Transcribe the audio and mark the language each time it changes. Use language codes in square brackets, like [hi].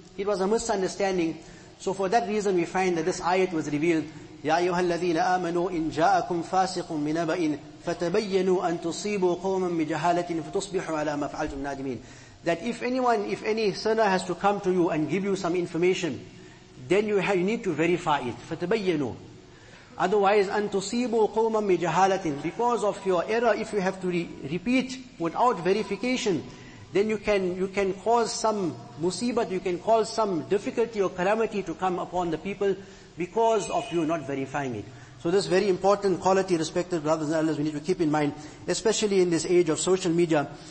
[en] It was a misunderstanding. So for that reason we find that this ayat was revealed. [ar] يَا أَيُّهَا الَّذِينَ آمَنُوا إِن جَاءَكُمْ فَاسِقٌ مِّن نَبَئٍ فَتَبَيَّنُوا أَن تُصِيبُوا قَوْمًا بِجَهَالَةٍ فَتُصْبِحُوا عَلَى مَا فَعَلْتُمْ نَادِمِينَ. [en] That if any sinner has to come to you and give you some information, then you need to verify it. [ar] فَتَبَيَّنُوا. Otherwise, أَن تُصِيبُوا قَوْمًا بِجَهَالَةٍ. [en] Because of your error, if you have to repeat without verification, then you can cause some musibat, you can cause some difficulty or calamity to come upon the people because of you not verifying it. So this very important quality, respected brothers and elders, we need to keep in mind, especially in this age of social media.